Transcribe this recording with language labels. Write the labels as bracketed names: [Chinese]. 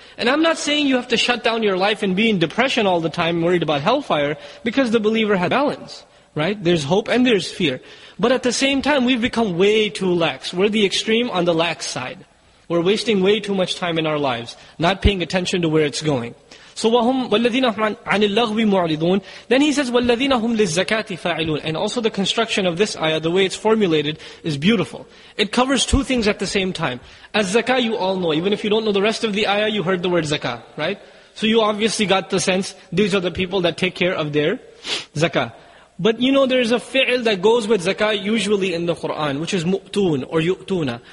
[English] And I'm not saying you have to shut down your life and be in depression all the time, worried about hellfire, because the believer has balance, right? There's hope and there's fear. But at the same time, we've become way too lax. We're the extreme on the lax side. We're wasting way too much time in our lives, not paying attention to where it's going. [Arabic] So وَهُمْ وَالَّذِينَ هُمْ عَنِ اللَّغْوِ مُعْرِضُونَ. [English] Then he says, [Arabic] وَالَّذِينَ هُمْ لِلزَّكَاةِ فَاعِلُونَ. [English] And also the construction of this ayah, the way it's formulated, is beautiful. It covers two things at the same time. As zakah, you all know. Even if you don't know the rest of the ayah, you heard the word zakah, right? So you obviously got the sense, these are the people that take care of their zakah. But you know, there is a fi'il that goes with zakah usually in the Quran, which is mu'toon or yu'toona.